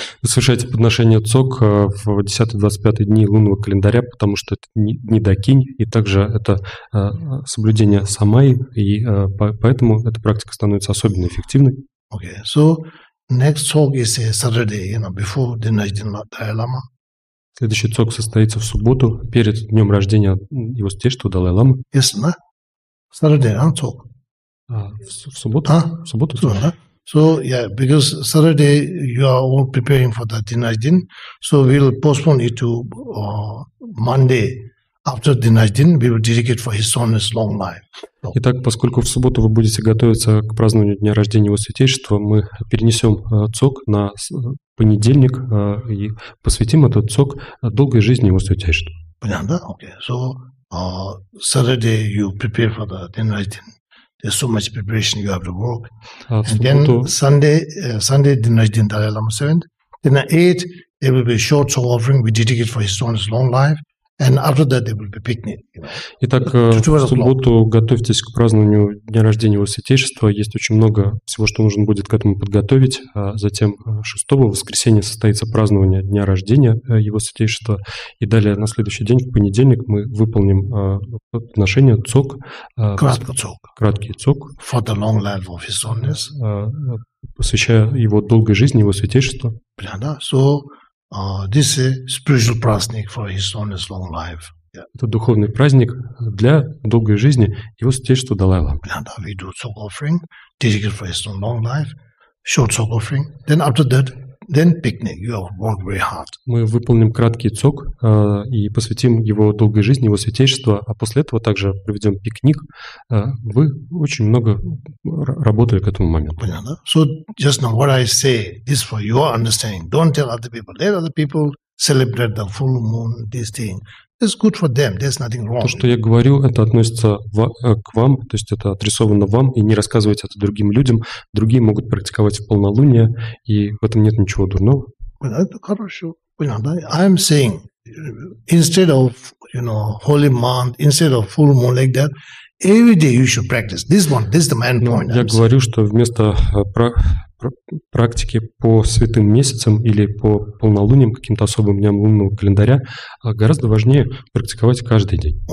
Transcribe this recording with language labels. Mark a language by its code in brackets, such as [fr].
[ru] Вы совершаете подношение цок в 10-25 дни лунного календаря, потому что это не дакинь, и также это соблюдение самай, и поэтому эта практика становится особенно эффективной. [en] Okay, so next цок is Saturday, you know, before the Dalai Lama. [ru] Следующий цок состоится в субботу, перед днем рождения его святейшества Далай Лама. [en] Yes, no? Saturday, no? Цок. [ru] В субботу? А? В субботу, цок. [en] So yeah, because Saturday you are all preparing for the Dinajdin, so we'll postpone it to Monday after Dinajdin. We will dedicate for His Holiness long life. So. [ru] Итак, поскольку в субботу вы будете готовиться к празднованию дня рождения Его Святейшества, мы перенесем цок на понедельник и посвятим этот цок долгой жизни Его Святейшества. Понятно? Да? [en] Okay. So Saturday you prepare for the Dinajdin. There's so much preparation you have to work. And then Sunday, Dinajdin Dalai Lama 7th. Then at 8, there will be a short soul offering. We dedicate for His Holiness long life. And after that, there will be picnic. [ru] Итак, в субботу готовьтесь к празднованию Дня рождения Его Святейшества. Есть очень много всего, что нужно будет к этому подготовить. Затем 6-го воскресенья состоится празднование Дня рождения Его Святейшества. И далее на следующий день, в понедельник, мы выполним подношение цок. Краткий цок. Краткий цок. [en] For the long life of His Holiness. [ru] Посвящая Его долгой жизни, Его Святейшества. Да, [en] so... this is a spiritual праздник for His Holiness long life. Yeah. [ru] Это духовный праздник для долгой жизни Его Святейшества Далай Лама. [en] Yeah, we do soul offering, dedicated for His long life, short soul offering. Then after that, then picnic. You have worked very hard. [ru] Мы выполним краткий цок и посвятим Его долгой жизни Его Святейшества, а после этого также проведем пикник. Вы очень много работали к этому моменту. Понятно. [en] So just now what I say is for your understanding. Don't tell other people. Let other people celebrate the full moon. This thing. It's good for them. There's nothing wrong. [ru] То, что я говорю, это относится к вам, то есть это адресовано вам, и не рассказывайте это другим людям. Другие могут практиковать в полнолуние, и в этом нет ничего дурного. Это хорошо. Понятно. [en] I'm saying, instead of, you know, holy month, instead of full moon like that, every day you should practice. This one, this is the main point. [ru] Я говорю, что вместо практики по святым месяцам или по полнолуниям, каким-то особым дням лунного календаря, гораздо важнее практиковать каждый день.